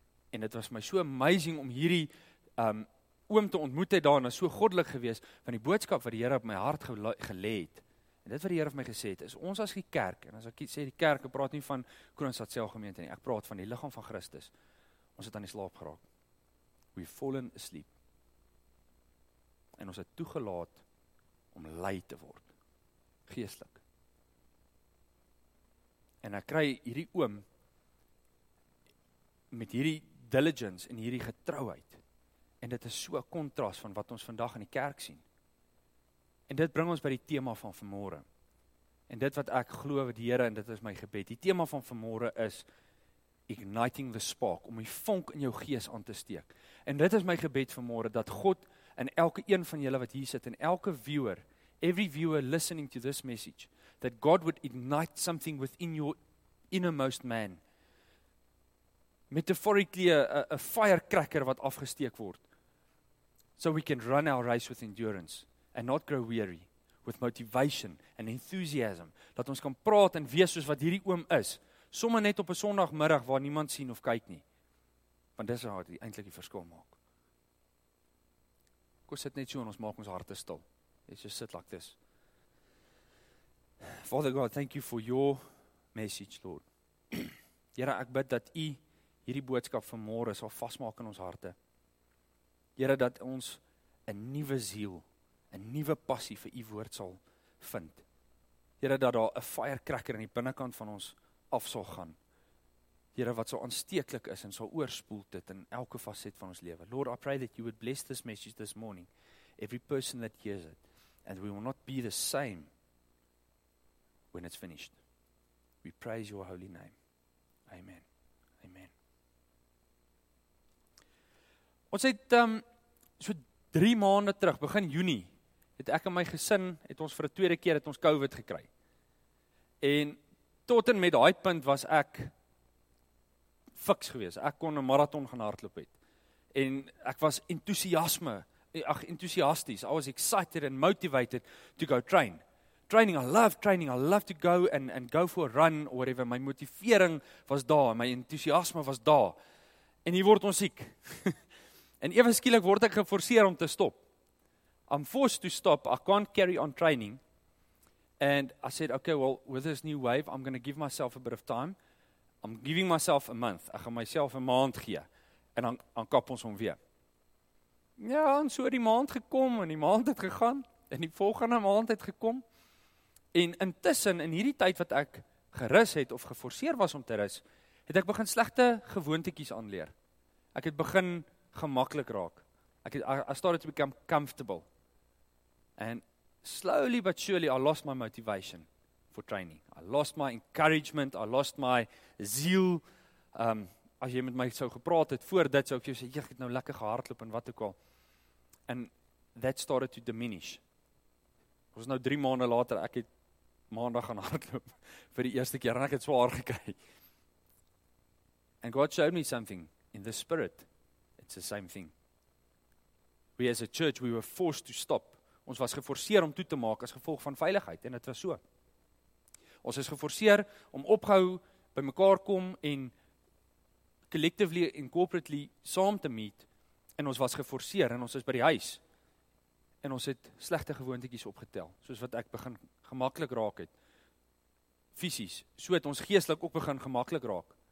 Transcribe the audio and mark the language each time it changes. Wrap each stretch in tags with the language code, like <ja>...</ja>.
<af>En dit was my so amazing om hierdie oom te ontmoet het daar, en is so goddelik geweest van die boodskap wat die Here op my hart gelê het. En dit wat die Here vir my gesê het, is ons as die kerk, en as ek sê die kerk, ek praat nie van Kroonstad selgemeente nie, ek praat van die liggaam van Christus. Ons het aan die slaap geraak.</af> <en>We've fallen asleep.</en> <af>En ons het toegelaat om lei te word. Geestelik. En ek kry hierdie oom met hierdie diligence en hierdie getrouheid. En dit is so 'n kontras van wat ons vandag in die kerk sien. En dit bring ons by die tema van vanmôre. En dit wat ek glo wat die Here, en dit is my gebed. Die tema van vanmôre is igniting the spark, om die vonk in jou gees aan te steek. En dit is my gebed vanmôre dat God in elke een van julle wat hier sit en elke viewer</af> <en>every viewer listening to this message, that God would ignite something within your innermost man. Metaphorically, a firecracker</en> <af>wat afgesteek word.</af> <en>So we can run our race with endurance and not grow weary, with motivation and enthusiasm.</en> <af>Dat ons kan praat en wees soos wat hierdie oom is, sommer net op 'n sonoggmiddag waar niemand sien of kyk nie. Want dis wat eintlik die verskil maak. Kom sit net so en ons maak ons harte stil.</af> <en>Let's just sit like this. Father God, thank you for your message, Lord.</en> <af>Here, ek bid dat U hierdie boodskap vanmôre sal vasmaak in ons harte. Here, dat ons 'n nuwe ziel, 'n nuwe passie vir U woord sal vind. Here, dat daar 'n firecracker in die binnekant van ons af sal gaan. Here, wat so aansteeklik is en sal oorspoel dit in elke facet van ons lewe.</af> <en>Lord, I pray that you would bless this message this morning. Every person that hears it, and we will not be the same when it's finished. We praise your holy name. Amen. Amen.</en> <af>Ons het so 3 maande terug, begin Junie, het ek en my gesin, het ons vir 'n tweede keer het ons COVID gekry. En tot en met daai punt was ek fiks gewees. Ek kon 'n marathon gaan hardloop het. En ek was enthousiasties.</af> <en>I was excited and motivated to go train. Training, I love to go and go for a run or whatever.</en> <af>My motivering was daar, my enthousiasme was daar. En hier word ons siek. En ewe skielik word ek geforseer om te stop.</af> <en>I'm forced to stop, I can't carry on training. And I said, okay, well, with this new wave, I'm going to give myself a bit of time. I'm giving myself a month.</en> <af>Ek gaan myself 'n maand gee. En dan kap ons hom weer. Ja, en so die maand gekom en die maand het gegaan en die volgende maand het gekom. En intussen in hierdie tyd wat ek gerus het of geforseer was om te rus, het ek begin slegte gewoontetjies aanleer. Ek het begin gemaklik raak.</af> <en>I started to become comfortable. And slowly but surely I lost my motivation for training. I lost my encouragement, I lost my zeal.</en> <af>As jy met my sou gepraat het voor dit, sou ek jou sê, "Jy het nou lekker gehardloop en wat ook al."</af> <en>And that started to diminish.</en> <af>Ek was nou 3 maande later, ek het maandag gaan hardloop vir die eerste keer en ek het swaar gekry.</af> <en>And God showed me something in the spirit. It's the same thing. We as a church, we were forced to stop.</en> <af>Ons was geforseer om toe te maak as gevolg van veiligheid en dit was so. Ons is geforseer om opgehou by mekaar kom en collectively en corporately saam te meet en ons was geforseer en ons is by die huis en ons het slegte gewoontetjies opgetel, soos wat ek begin gemaklik raak het, fisies, so het ons geestelik ook begin gemaklik raak.</af>